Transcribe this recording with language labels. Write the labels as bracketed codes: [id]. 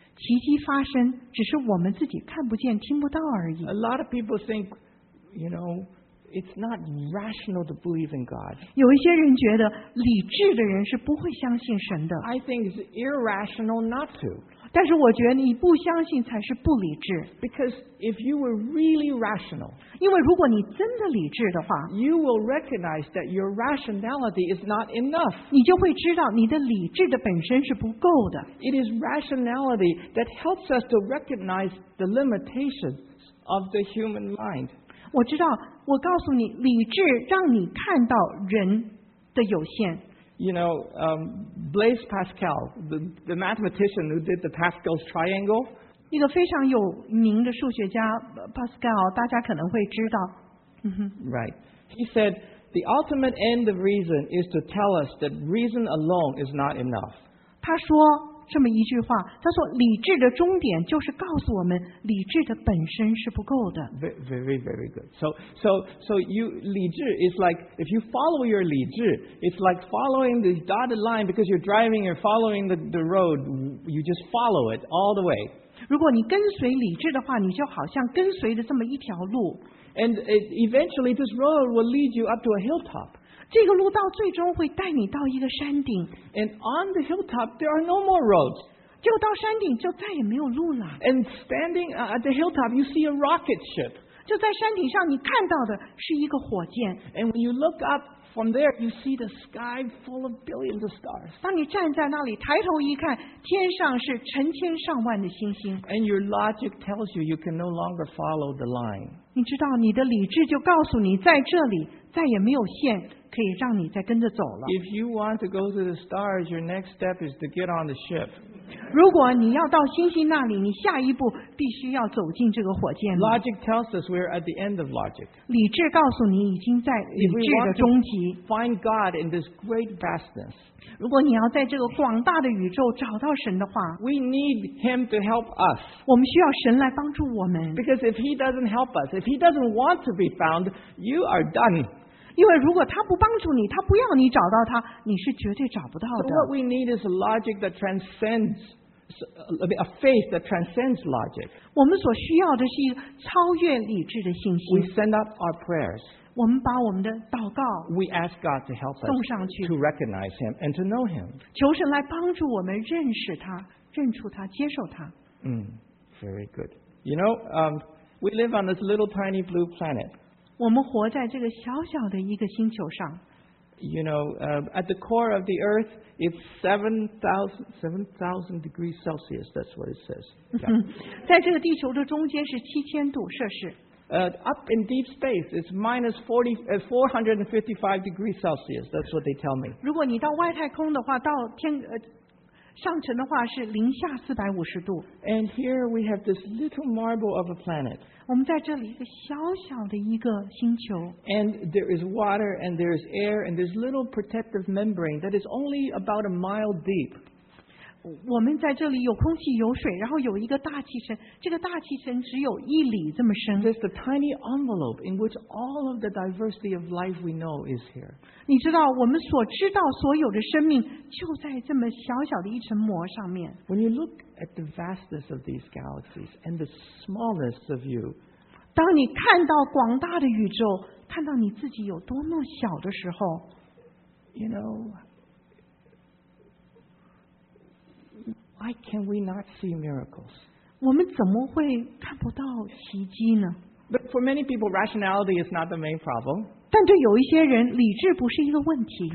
[zh] 奇迹发生，只是我们自己看不见、听不到而已。 [en] A lot of people think, you know, it's not rational to believe in God. [zh] 有一些人觉得理智的人是不会相信神的。 [en] I think it's irrational not to. [zh] 但是我觉得你不相信才是不理智。 [en] Because if you were really rational, [zh] 因为如果你真的理智的话 [en] you will recognize that your rationality is not enough. [zh] 你就会知道你的理智的本身是不够的。 [en] It is rationality that helps us to recognize the limitations of the human mind. [zh] 我知道，我告诉你，理智让你看到人的有限。 [en] You know, Blaise Pascal, the mathematician who did the Pascal's triangle, [zh] 一个非常有名的数学家 Pascal, 大家可能会知道。 [en] Right. He said, the ultimate end of reason is to tell us that reason alone is not enough. [zh] 他说这么一句话，他说理智的终点就是告诉我们理智的本身是不够的。 [en] Very, very good. So you, 理智 is like, if you follow your 理智, it's like following the dotted line because you're driving, you're following the road, you just follow it all the way. [zh] 如果你跟随理智的话，你就好像跟随着这么一条路。 [en] And it, eventually this road will lead you up to a hilltop. [zh] 这个路道最终会带你到一个山顶。 [en] And on the hilltop, there are no more roads. [zh] 就到山顶就再也没有路了。 [en] And standing at the hilltop, you see a rocket ship. [zh] 就在山顶上你看到的是一个火箭。 [en] And when you look up from there, you see the sky full of billions of stars. [zh] 当你站在那里抬头一看，天上是成千上万的星星。 [en] And your logic tells you you can no longer follow the line. [zh] 你知道，你的理智就告诉你在这里再也没有线可以让你再跟着走了。 [en] If you want to go to the stars, your next step is to get on the ship. [zh] 如果你要到星星那里，你下一步必须要走进这个火箭。 [en] Logic tells us we're at the end of logic. [zh] 理智告诉你已经在理智的终极。 [en] If we want to find God in this great vastness, [zh] 如果你要在这个广大的宇宙找到神的话， [en] we need Him to help us. [zh] 我们需要神来帮助我们。 [en] Because if He doesn't help us, if He doesn't want to be found, you are done. [zh] 因为如果他不帮助你，他不要你找到他，你是绝对找不到的。 [en] So what we need is a logic that transcends, a faith that transcends logic. [zh] 我们所需要的是超越理智的信心。 [en] We send up our prayers. [zh] 我们把我们的祷告。 [en] We ask God to help us. [zh] 送上去。 [en] To recognize Him and to know Him. [zh] 求神来帮助我们认识他，认出他，接受他。 [en] Very good. You know, we live on this little tiny blue planet. [zh] 我们活在这个小小的一个星球上。 [en] You know, at the core of the Earth, it's 7,000 degrees Celsius. That's what it says. [zh] 在这个地球的中间是7000度摄氏。 [en] Up in deep space, it's -455 degrees Celsius. That's what they tell me. [zh] 如果你到外太空的话，到天上层的话是零下450度。 [en] And here we have this little marble of a planet. [zh] 我们在这里一个小小的一个星球。 [en] And there is water and there is air and there's little protective membrane that is only about a mile deep. [zh] 我们在这里有空气有水，然后有一个大气层，这个大气层只有一里这么深。 [en] There's a tiny envelope in which all of the diversity of life we know is here. [zh] 你知道，我们所知道所有的生命就在这么小小的一层膜上面。 [en] When you look at the vastness of these galaxies and the smallness of you, [zh] 当你看到广大的宇宙，看到你自己有多么小的时候 [en] ，You know. Why can we not see miracles? [zh] 我们怎么会看不到奇迹呢？ [en] But for many people, rationality is not the main problem. [zh] 但对有一些人，理智不是一个问题。